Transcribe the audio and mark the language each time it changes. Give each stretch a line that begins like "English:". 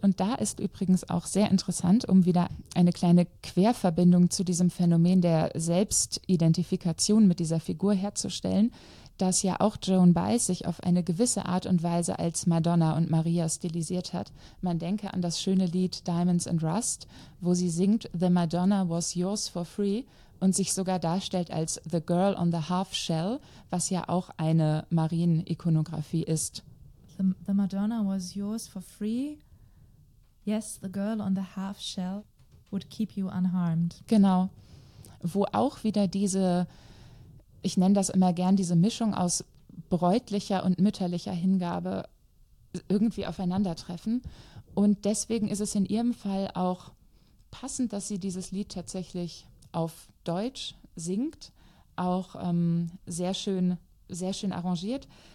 German: Und da ist übrigens auch sehr interessant, um wieder eine kleine Querverbindung zu diesem Phänomen der Selbstidentifikation mit dieser Figur herzustellen, dass ja auch Joan Baez sich auf eine gewisse Art und Weise als Madonna und Maria stilisiert hat. Man denke an das schöne Lied Diamonds and Rust, wo sie singt »
English: The Madonna was yours for free«
German: und sich sogar darstellt als »
English: The Girl on the Half Shell«,
German: was ja auch eine Marienikonografie ist.
English: The Madonna was yours for free. Yes, the girl on the half shell would keep you unharmed.
German: Genau. Wo auch wieder diese, ich nenne das immer gern, diese Mischung aus bräutlicher und mütterlicher Hingabe irgendwie aufeinandertreffen. Und deswegen ist es in ihrem Fall auch passend, dass sie dieses Lied tatsächlich auf Deutsch singt, auch sehr schön arrangiert.